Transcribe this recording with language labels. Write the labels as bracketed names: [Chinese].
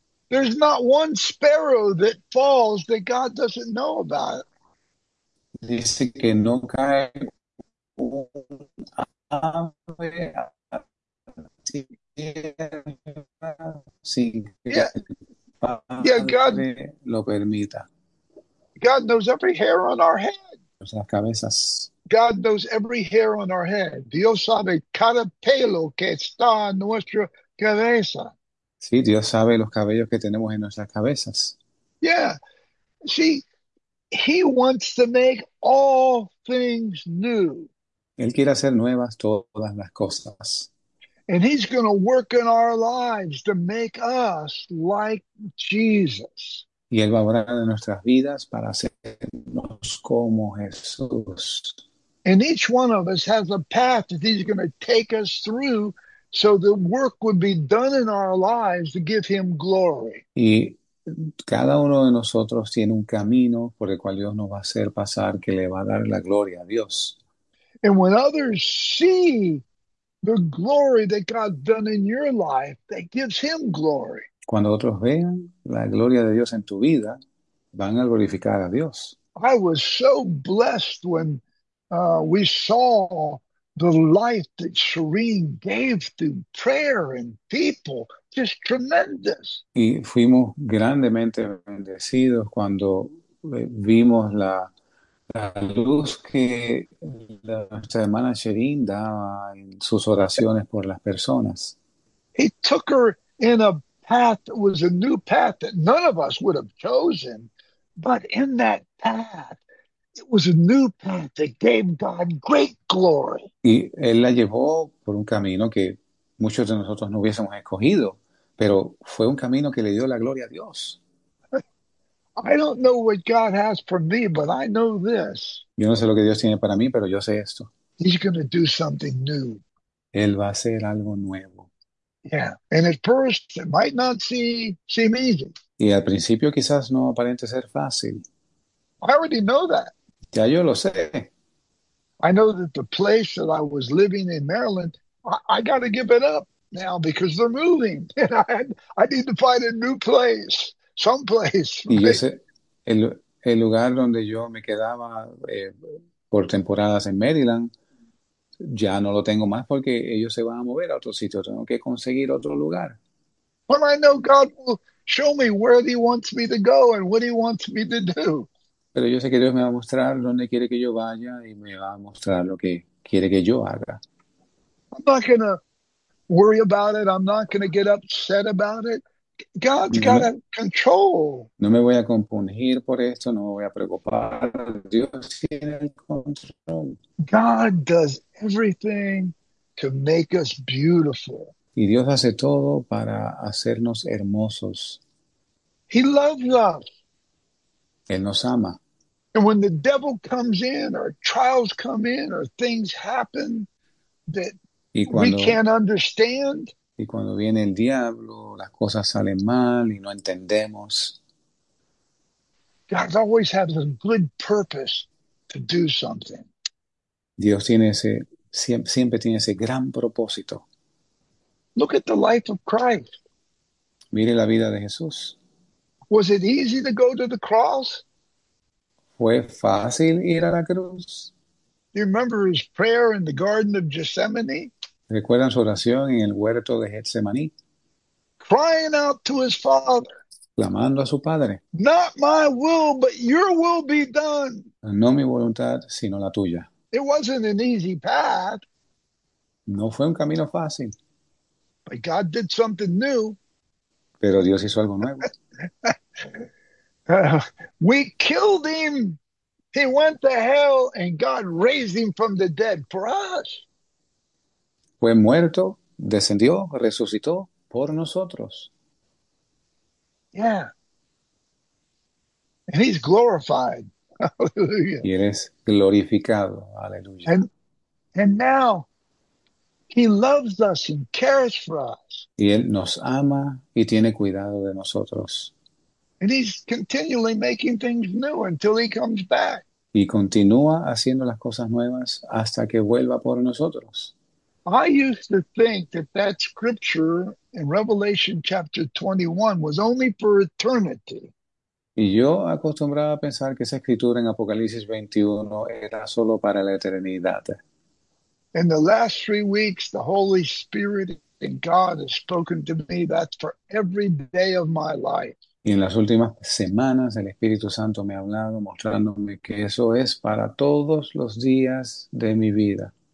[English] There's not one sparrow that falls that God doesn't know about. [Spanish] Dice que no cae un ave a tierra sin que [English] Yeah, [Spanish] Padre lo permita. [English] God knows every hair on our head. [Spanish] Nuestras cabezas. [English] God knows every hair on our head. [Spanish] Dios sabe cada pelo que está en nuestra cabeza. Sí, Dios sabe los cabellos que tenemos en nuestras cabezas. [English] Yeah. See, He wants to make all things new. [Spanish] Él quiere hacer nuevas todas las cosas. [English] And He's going to work in our lives to make us like Jesus. [Spanish] Y Él va a orar en nuestras vidas para hacernos como Jesús. [English] And each one of us has a path that he's going to take us through so the work would be done in our lives to give him glory. [Spanish] Y cada uno de nosotros tiene un camino por el cual Dios nos va a hacer pasar, que le va a dar la gloria a Dios. [English] And when others see the glory that God's done in your life, that gives him glory. [Spanish] Cuando otros vean la gloria de Dios en tu vida, van a glorificar a Dios. [English] I was so blessed when we saw the life that Shireen gave through prayer and people, just tremendous. [Spanish] Y fuimos grandemente bendecidos cuando vimos la luz que nuestra hermana Sherin daba en sus oraciones por las personas. [English] He took her in a path that was a new path that none of us would have chosen, but in that path, it was a new path that gave God great glory. [Spanish] Y él la llevó por un camino que muchos de nosotros no hubiésemos escogido, pero fue un camino que le dio la gloria a Dios. [English] Don't know what God has for me, but I know this. [Spanish] Yo no sé lo que Dios tiene para mí, pero yo sé esto. [English] He's going to do something new. [Spanish] Él va a hacer algo nuevo. [English] Yeah, and at first it might not seem easy. [Spanish] Y al principio quizás no aparente ser fácil. [English] I already know that. [Spanish] Ya yo lo sé. [English] I know that the place that I was living in Maryland, I got to give it up now because they're moving. And I need to find a new place, someplace, [Spanish] Y yo [English] right? [Spanish] sé, el lugar donde yo me quedaba por temporadas en Maryland, ya no lo tengo más porque ellos se van a mover a otro sitio. Tengo que conseguir otro lugar. [English] But I know God will show me where He wants me to go and what He wants me to do. [Spanish] Pero yo sé que Dios me va a mostrar dónde quiere que yo vaya y me va a mostrar lo que quiere que yo haga. [English] I'm not going to worry about it. I'm not going to get upset about it. God's [Spanish] Yo [English] got control. [Spanish] no me voy a compungir por esto, no me voy a preocupar. Dios tiene el control. [English] God does everything to make us beautiful. [Spanish] Y Dios hace todo para hacernos hermosos. [English] He loves us. [Spanish] Él nos ama. [English] And when the devil comes in, or trials come in, or things happen that [Spanish] Y [English] we can't understand, [Spanish] cuando viene el diablo, las cosas salen mal y no entendemos. [English] God always has a good purpose to do something. [Spanish] Dios tiene ese, siempre tiene ese gran propósito. [English] Look at the life of Christ. [Spanish] Mire la vida de Jesús. [English] Was it easy to go to the cross? [Spanish] ¿Fue fácil ir a la cruz? [English] You remember his prayer in the Garden of Gethsemane? [Spanish] ¿Recuerdan su oración en el huerto de Getsemaní? [English] Crying out to his father, [Spanish] Clamando a su padre. [English] not my will, but your will be done. [Spanish] No mi voluntad, sino la tuya. [English] It wasn't an easy path, [Spanish] No fue un camino fácil. [English] but God did something new. [Spanish] Pero Dios hizo algo nuevo. [English] We killed him. He went to hell and God raised him from the dead for us. [Spanish] Fue muerto, descendió, resucitó por nosotros. [English] Yeah. And he's glorified. Hallelujah. [Spanish] Y eres glorificado. Aleluya. [English] And now he loves us and cares for us. [Spanish] Y Él nos ama y tiene cuidado de nosotros. [English] And he's continually making things new until he comes back. [Spanish] Y continúa haciendo las cosas nuevas hasta que vuelva por nosotros. [English] I used to think that that scripture in Revelation chapter 21 was only for eternity. [Spanish] Y yo acostumbraba a pensar que esa escritura en Apocalipsis 21 era solo para la eternidad. [English] In the last 3 weeks, the Holy Spirit and God has spoken to me. That's for every day of my life. [Spanish] Y en las últimas semanas el Espíritu Santo me ha hablado mostrándome que eso es para todos los días de mi vida.